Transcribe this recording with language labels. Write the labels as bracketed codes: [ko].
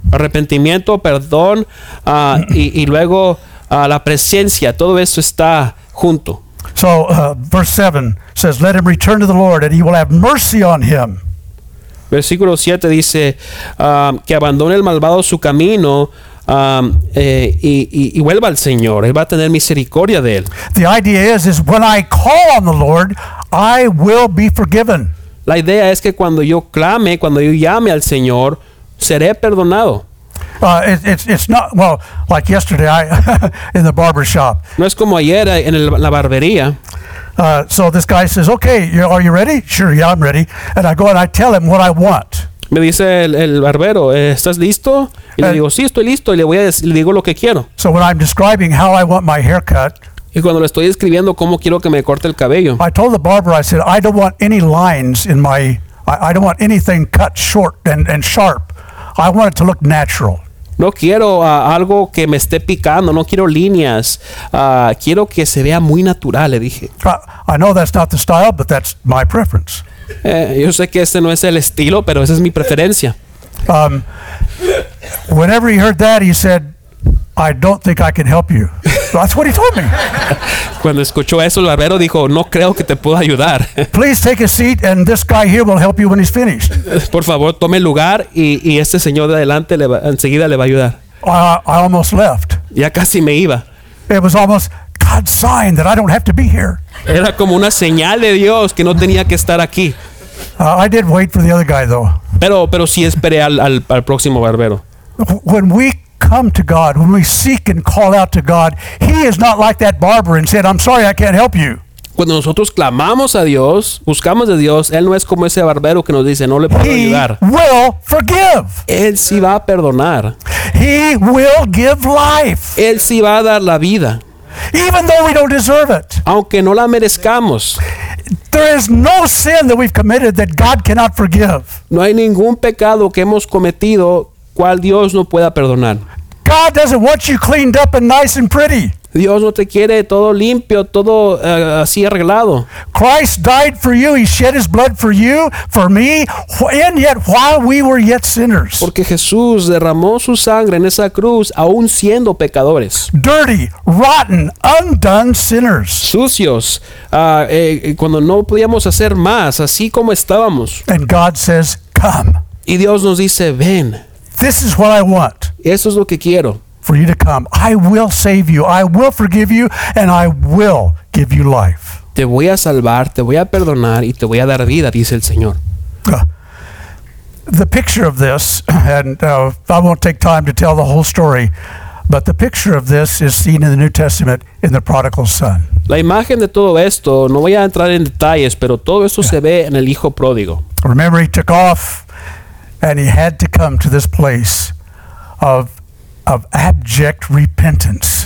[es] Arrepentimiento, perdón, y luego la presencia, todo eso está junto. [en] So verse 7 says, let him return to the Lord and he will have mercy on him. [es] Versículo 7 dice, que abandone el malvado su camino y vuelva al Señor. Él va a tener misericordia de él. [en] The idea is when I call on the Lord, I will be forgiven. [es] La idea es que cuando yo clame, cuando yo llame al Señor, seré perdonado. [en] It's not, well, like yesterday in the barber shop. [es] No es como ayer en la barbería. [en] So this guy says, okay, are you ready? Sure, yeah, I'm ready. And I go and I tell him what I want. [es] Me dice el barbero, ¿estás listo? Y le digo, sí, estoy listo. Y le digo lo que quiero. [en] So when I'm describing how I want my haircut, [es] y cuando le estoy describiendo cómo quiero que me corte el cabello, [en] I told the barber, I said, I don't want any lines in my, I don't want anything cut short and sharp. I want it to look natural. [es] No quiero algo que me esté picando. No quiero líneas. Quiero que se vea muy natural, le dije. [en] I know that's not the style, but that's my preference. [es] Yo sé que este no es el estilo, pero esa es mi preferencia. [en] Whenever he heard that, he said, I don't think I can help you. That's what he told me. [es] Cuando escuchó eso, el barbero dijo, no creo que te pueda ayudar. [en] Please take a seat and this guy here will help you when he's finished. [es] Por favor, tome lugar y este señor de adelante enseguida le va a ayudar. [en] I almost left. [es] Ya casi me iba. [en] It was almost God's sign that I don't have to be here. [es] Era como una señal de Dios que no tenía que estar aquí. [en] I did wait for the other guy though. [es] Pero sí esperé al próximo barbero. [en] When we come to God, when we seek and call out to God, He is not like that barber and said, "I'm sorry, I can't help you." [es] Cuando nosotros clamamos a Dios, buscamos a Dios, Él no es como ese barbero que nos dice, no le puedo ayudar. [en] He will forgive. [es] Él sí va a perdonar. [en] He will give life. [es] Él sí va a dar la vida. [en] Even though we don't deserve it. [es] Aunque no la merezcamos. [en] There is no sin that we've committed that God cannot forgive. [es] No hay ningún pecado que hemos cometido cual Dios no pueda perdonar. [en] God doesn't want you cleaned up and nice and pretty. [es] Dios no te quiere todo limpio, todo así arreglado. [en] Christ died for you. He shed his blood for you, for me, and yet while we were yet sinners. [es] Porque Jesús derramó su sangre en esa cruz aún siendo pecadores. [en] Dirty, rotten, undone sinners. [es] Sucios, cuando no podíamos hacer más, así como estábamos. [en] And God says, come. [es] Y Dios nos dice, ven. [en] This is what I want. [es] Eso es lo que quiero. [en] For you to come. I will save you. I will forgive you. And I will give you life. [es] Te voy a salvar, te voy a perdonar, y te voy a dar vida, dice el Señor. [en] The picture of this, and I won't take time to tell the whole story, but the picture of this is seen in the New Testament in the prodigal son. [es] La imagen de todo esto, no voy a entrar en detalles, pero todo esto se ve en el hijo pródigo. [en] Remember, he took off. And he had to come to this place of abject repentance.